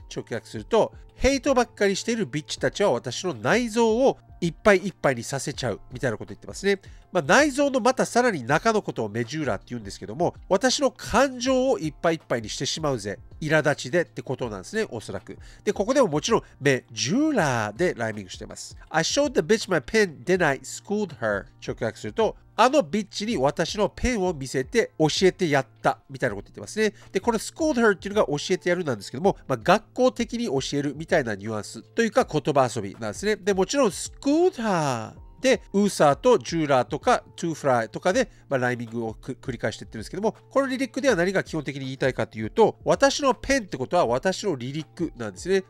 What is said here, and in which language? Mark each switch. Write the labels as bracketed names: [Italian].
[Japanese] 直訳すると、ヘイトばっかりしているビッチたちは私の内臓をいっぱいいっぱいにさせちゃうみたいなこと言ってますね。まあ、内臓のまたさらに中のことをメジューラーって言うんですけども、私の感情をいっぱいいっぱいにしてしまうぜ、苛立ちでってことなんですね、おそらく。で、ここでももちろんメジューラーでライミングしてます。 [English] I showed the bitch my pen, then I schooled her。 [Japanese] 直訳すると、あのビッチに私のペンを見せて教えてやったみたいなこと言ってますね。で、この [English] schooled her [Japanese] っていうのが教えてやるなんですけども、まあ、学校的に教えるみたいなニュアンスというか言葉遊びなんですね。で、もちろん [English] schooled her [Japanese] で、ウーサーとジューラーとかトゥーフライとかで、まあ、ライミングを繰り返していってるんですけども、このリリックでは何が基本的に言いたいかというと、私のペンってことは私のリリックなんですね。